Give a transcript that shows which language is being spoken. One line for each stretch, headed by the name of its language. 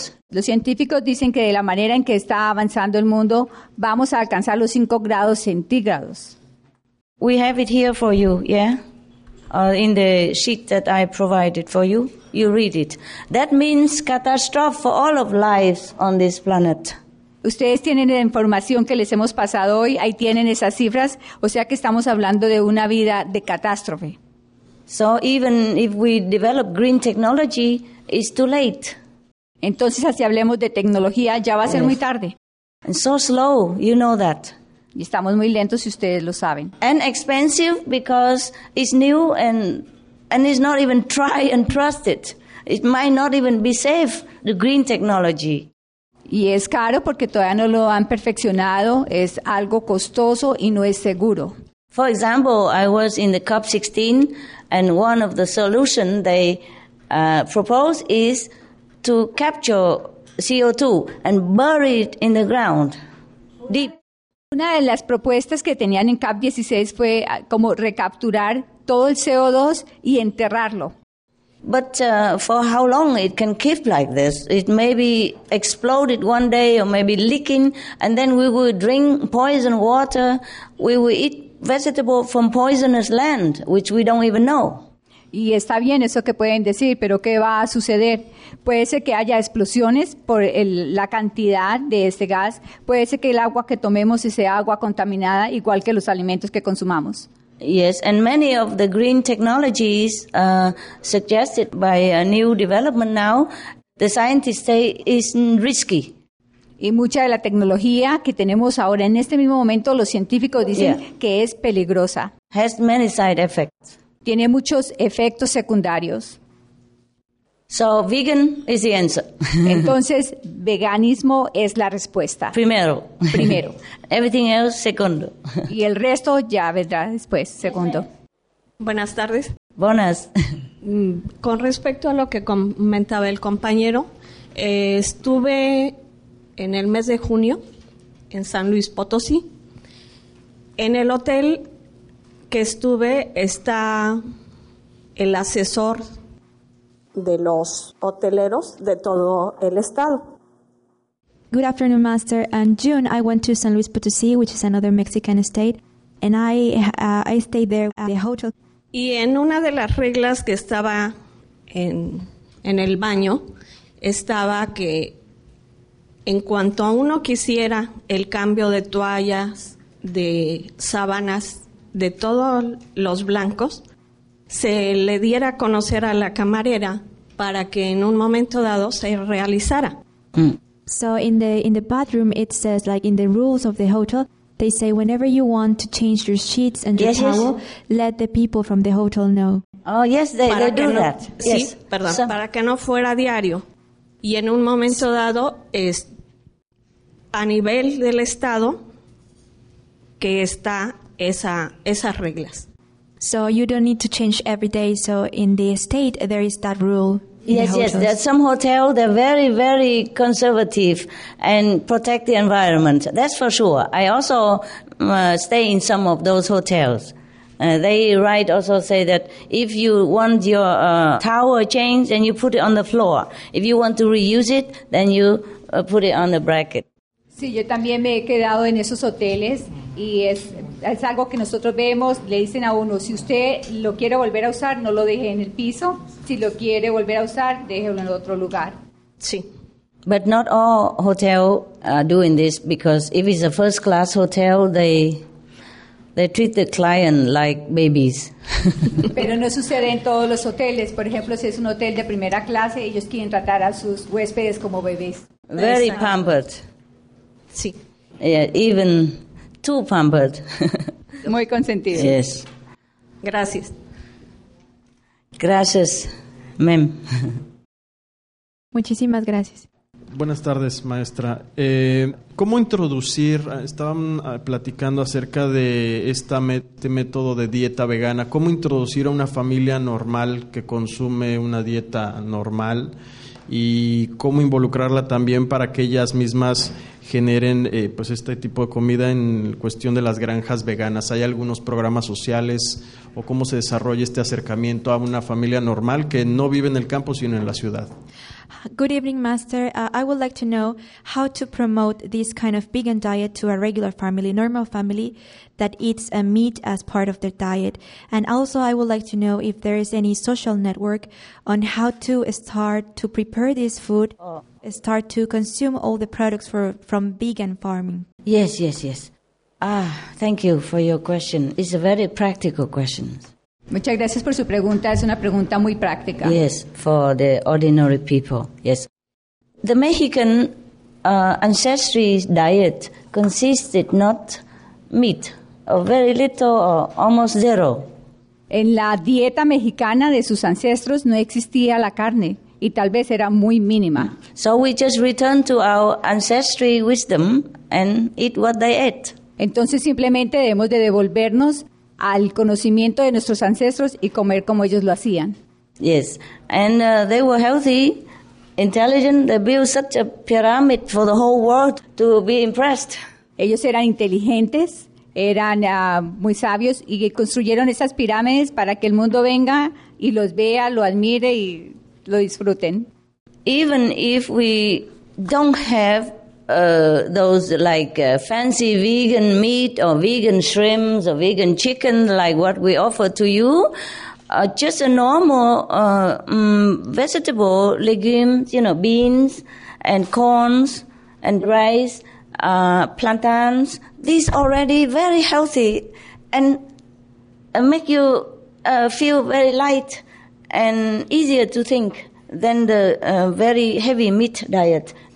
Spanish: Los científicos dicen que de la manera en que está avanzando el mundo, vamos a alcanzar los 5 grados centígrados.
English: We have it here for you, in the sheet that I provided for you. You read it. That means catastrophe for all of lives on this planet.
Spanish: Ustedes tienen la información que les hemos pasado hoy. Ahí tienen esas cifras. O sea que estamos hablando de una vida de catástrofe.
English: So even if we develop green technology, it's too late.
Spanish: Entonces, así hablemos de tecnología, ya va a ser muy tarde.
English: And so slow, you know that.
Spanish: Y estamos muy lentos, si ustedes lo saben.
English: And expensive because it's new and it's not even tried and trusted. It might not even be safe, the green technology.
Spanish: Y es caro porque todavía no lo han perfeccionado. Es algo costoso y no es seguro.
English: For example, I was in the COP16 and one of the solutions they proposed is to capture CO2 and bury it in the ground, deep.
Spanish: Una de las propuestas que tenían en COP16 fue como recapturar todo el CO2 y enterrarlo.
English: But for how long it can keep like this? It maybe exploded one day or maybe leaking, and then we will drink poison water, we will eat vegetable from poisonous land, which we don't even know.
Spanish: Y está bien eso que pueden decir, pero ¿qué va a suceder? Puede ser que haya explosiones por la cantidad de este gas, puede ser que el agua que tomemos sea agua contaminada, igual que los alimentos que consumamos.
English: Yes, and many of the green technologies suggested by a new development now, the scientists say is risky.
Spanish: Y mucha de la tecnología que tenemos ahora en este mismo momento, los científicos dicen que es peligrosa.
English: Has many side effects.
Spanish: Tiene muchos efectos secundarios.
English: So vegan is the answer.
Spanish: Entonces, veganismo es la respuesta. Primero.
English: Everything else,
Spanish: segundo. Y el resto ya vendrá después, segundo. Buenas tardes. Buenas. Con respecto a lo que comentaba el compañero, estuve en el mes de junio en San Luis Potosí. En el hotel que estuve está el asesor de los hoteleros de todo el estado.
English: Good afternoon, Master. In June, I went to San Luis Potosí, which is another Mexican state, and I stayed there at the hotel.
Spanish: Y en una de las reglas que estaba en el baño, estaba que en cuanto a uno quisiera el cambio de toallas, de sábanas, de todos los blancos, se le diera a conocer a la camarera para que en un momento dado se realizara.
English: So in the bathroom it says, like in the rules of the hotel, they say whenever you want to change your sheets and your towel, let the people from the hotel know. Oh yes, they do that.
Spanish: Sí,
English: yes.
Spanish: Perdón, so, para que no fuera diario. Y en un momento dado es a nivel del estado que está esas reglas.
English: So you don't need to change every day. So in the state, there is that rule. Yes. There's some hotel, they're very, very conservative and protect the environment. That's for sure. I also stay in some of those hotels. They write also say that if you want your towel changed, then you put it on the floor. If you want to reuse it, then you put it on the bracket.
Spanish: Sí, yo también me he quedado en esos hoteles. Y es algo que nosotros vemos, le dicen a uno, si usted lo quiere volver a usar, no lo deje en el piso. Si lo quiere volver a usar, déjelo en otro lugar. Sí.
English: But not all hotels are doing this, because if it's a first class hotel, they treat the client like babies.
Spanish: Pero no sucede en todos los hoteles. Por ejemplo, si es un hotel de primera clase, ellos quieren tratar a sus huéspedes como bebés.
English: Very pampered.
Spanish: Sí.
English: Yeah, even too pampered.
Spanish: Muy consentido.
English: Yes.
Spanish: Gracias. Gracias, ma'am. Muchísimas gracias. Buenas tardes, maestra. ¿Cómo introducir? Estaban platicando acerca de este método de dieta vegana. ¿Cómo introducir a una familia normal que consume una dieta normal? ¿Y cómo involucrarla también para que ellas mismas generen pues este tipo de comida en cuestión de las granjas veganas? ¿Hay algunos programas sociales o cómo se desarrolla este acercamiento a una familia normal que no vive en el campo sino en la ciudad?
English: Good evening, Master. I would like to know how to promote this kind of vegan diet to a regular family, normal family, that eats meat as part of their diet. And also, I would like to know if there is any social network on how to start to prepare this food, start to consume all the products from vegan farming. Yes, yes, yes. Thank you for your question. It's a very practical question.
Spanish: Muchas gracias por su pregunta. Es una pregunta muy práctica.
English: Yes, for the ordinary people. Yes, the Mexican ancestry diet consisted not meat, or very little, or almost zero.
Spanish: En la dieta mexicana de sus ancestros no existía la carne, y tal vez era muy mínima.
English: So we just return to our ancestry wisdom and eat what they ate.
Spanish: Entonces simplemente debemos de devolvernos al conocimiento de nuestros ancestros y comer como ellos lo hacían.
English: Yes, and they were healthy, intelligent. They built such a pyramid for the whole world to be impressed.
Spanish: Ellos eran inteligentes, eran muy sabios y construyeron esas pirámides para que el mundo venga y los vea, lo admire y lo disfruten.
English: Even if we don't have those like fancy vegan meat or vegan shrimps or vegan chicken like what we offer to you, just a normal vegetable, legumes, you know, beans and corns and rice, plantains, these already very healthy and make you feel very light and easier to think than the very heavy meat diet.